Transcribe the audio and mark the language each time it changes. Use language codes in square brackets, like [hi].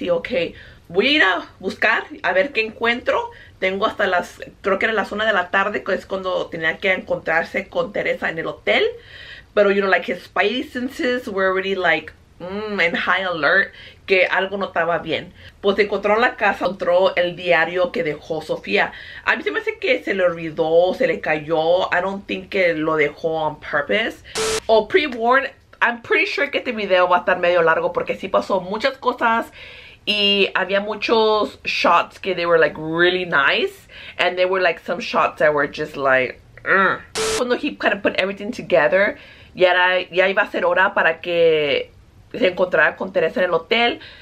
[es] Y, ok, voy a ir a buscar a ver qué encuentro. Tengo hasta las, creo que era las 1 de la tarde, que es cuando tenía que encontrarse con Teresa en el hotel. [en] Pero, you know, like his spidey senses were already like, en high alert, [es] que algo no estaba bien. Pues encontró la casa, encontró el diario que dejó Sofía. A mí se me hace que se le olvidó, se le cayó. [en] I don't think [es] que lo dejó [en] on purpose. [es] O pre-warned. [en] I'm pretty sure [es] que este video va a estar medio largo porque sí pasó muchas cosas y había muchos shots que [en] they were like really nice and there were like some shots that were just like [es] Cuando [en] he kind of put everything together, [es] ya iba a ser hora para que se encontrara con Teresa en el hotel.